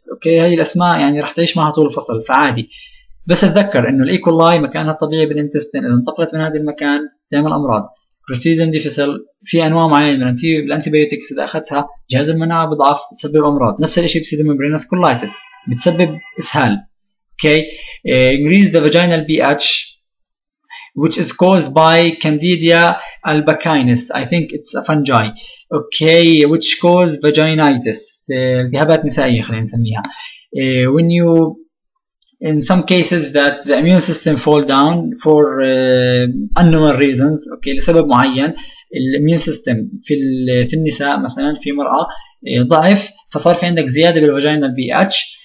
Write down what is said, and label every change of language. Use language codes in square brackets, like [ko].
[ar] اوكي هاي الاسماء يعني راح تعيش معها طول الفصل فعادي. بس اتذكر انه الايكولاي مكانها الطبيعي بالانتستين اذا انطفقت من هذا المكان تعمل امراض. Clostridium difficile في انواع معينه من الانتيبيوتكس اذا اخذتها جهاز المناعه بضعف بتسبب امراض. نفس الشيء بسيدوميمبرينس كولايتس بتسبب اسهال. اوكي. [en] Increase the vaginal pH which is caused by candida albicans. I think it's a fungi. Okay. Which cause vaginitis. [ar] التهابات نسائيه خلينا نسميها. [en] When you in some cases that the immune system fall down for unknown reasons. [ar] اوكي. لسبب معين الاميون سيستم في النساء مثلا في مرأة ضعف فصار في عندك زيادة بالفاجينال بي اتش.